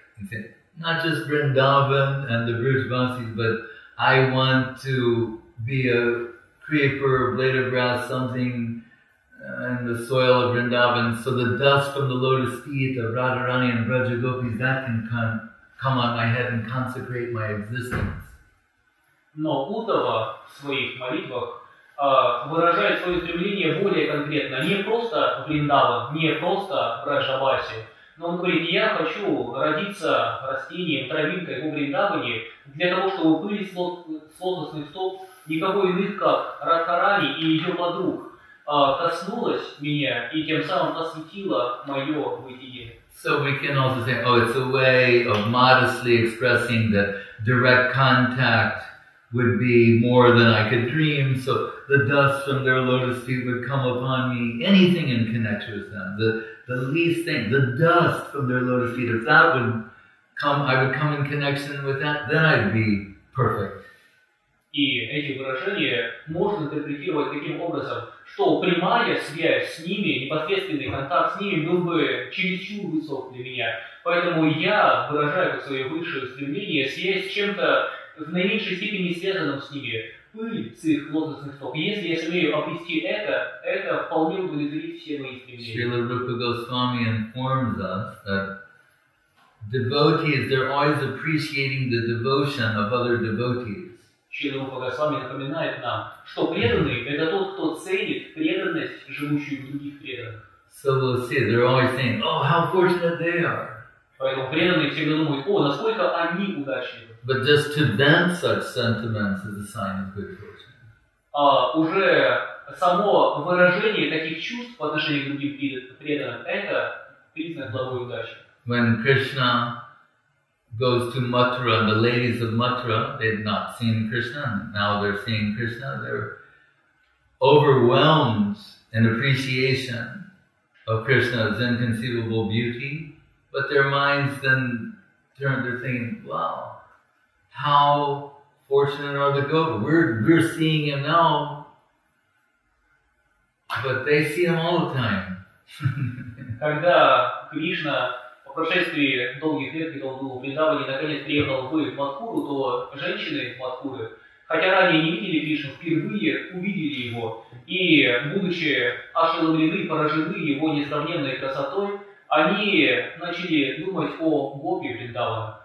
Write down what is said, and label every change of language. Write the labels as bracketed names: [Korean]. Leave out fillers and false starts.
[English] He's saying, not just Vrindavan and the Vrijvasis, but I want to be a creeper, a blade of grass, something in the soil of Vrindavan, so the dust from the lotus feet of Radharani and Vrajagopis, that can come. Come on my head and consecrate my existence. [Russian] Но Удава в своих молитвах выражает свое стремление более конкретно, не просто Вриндаван, не просто Вриджаваси, но он говорит, я хочу родиться растением, травинкой у Вриндавани, для того, чтобы были лотосных стоп, никого иных, как Радхарани и ее подруг, коснулась меня и тем самым осветила мое бытие. [English] So we can also say, oh, it's a way of modestly expressing that direct contact would be more than I could dream, so the dust from their lotus feet would come upon me, anything in connection with them, the least thing, the dust from their lotus feet, if that would come, I would come in connection with that, then I'd be perfect. [Russian] И эти выражения можно интерпретировать таким образом, что прямая связь с ними, непосредственный контакт с ними был бы чересчур высок для меня. Поэтому я выражаю свое высшее стремление, связь с чем-то в наименьшей степени связанным с ними, пыль с их лотосных стоп. Если я сумею опустить это вполне удовлетворит все мои стремления. [English] Srila Rupa Goswami informs us that devotees, they're always appreciating the devotion of other devotees. [Russian] Srila Rupa Goswami напоминает нам, что преданный – это тот, кто ценит преданность, живущую в других преданных. [English] So we'll see, they're always saying, oh, how fortunate they are. [Russian] Поэтому преданные всегда думают, о, насколько они удачливы. [English] But just to vent such sentiments is a sign of good fortune. [Russian] Уже само выражение таких чувств по отношению к другим преданным – это признак благой удачи. [English] When Krishna goes to Mathura, the ladies of Mathura, they've not seen Krishna, and now they're seeing Krishna, they're overwhelmed in appreciation of Krishna's inconceivable beauty, but their minds then turn, they're thinking, wow, how fortunate are the gopis? We're seeing him now, but they see him all the time. [Russian] Когда Кришна по прошествии долгих лет, когда он был в Вриндаване, наконец приехал в Матхуру, то женщины Матхуры, хотя ранее не видели Кришну, впервые увидели его. И, будучи ошеломлены, поражены его несравненной красотой, они начали думать о гопи Вриндавана.